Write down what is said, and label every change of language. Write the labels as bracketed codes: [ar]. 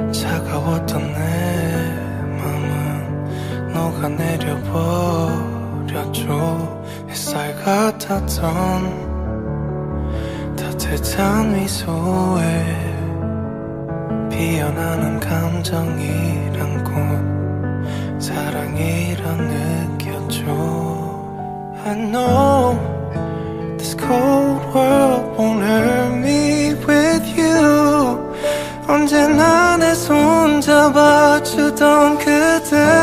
[ko] 차가웠던 내 맘은 녹아 내려버렸죠. 햇살 같았던 따뜻한 미소에 피어나는 감정이란 꽃 사랑이란 느꼈죠. [en] I know this cold world won't hurt me with you. [ko] 언제나 내 손 잡아주던 그대.